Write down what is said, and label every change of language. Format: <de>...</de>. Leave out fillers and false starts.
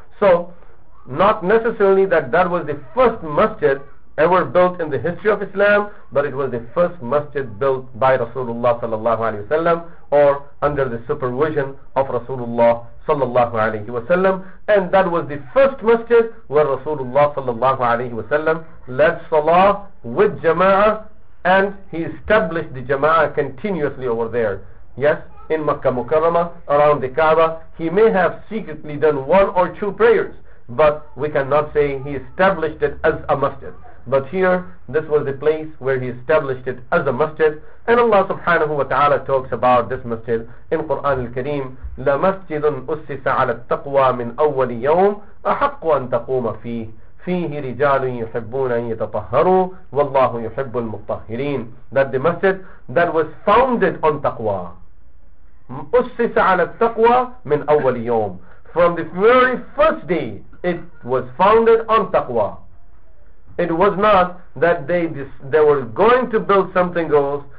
<en>So, not necessarily that was the first masjid ever built in the history of Islam, but it was the first masjid built by Rasulullah sallallahu alayhi wa sallam, or under the supervision of Rasulullah sallallahu alayhi wa sallam, and that was the first masjid where Rasulullah sallallahu alayhi wa sallam led salah with jama'ah, and he established the jama'ah continuously over there. Yes, in Makkah Mukarramah, around the Kaaba, he may have secretly done one or two prayers, but we cannot say he established it as a masjid. But here, this was the place where he established it as a masjid. And Allah subhanahu wa ta'ala talks about this masjid in Quran al-Kareem,</en> <ar>لَمَسْجِدٌ أُسِّسَ عَلَى التَّقْوَى مِنْ أَوَّلِ يَوْمٍ أَحَقُّ أَن تَقُومَ فِيهِ فِيهِ رِجَالٌ يُحِبُّونَ أَن يَتَطَهَّرُوا وَاللَّهُ يُحِبُّ الْمُطَّهِّرِينَ.</ar> <en>That the masjid that was founded on taqwa,</en> <ar>أُسِّسَ عَلَى التَّقْوَى مِنْ أَوَّلِ يَوْمٍ,</ar> <en>from the very first day it was founded on taqwa. It was not that they were going to build something else.</en>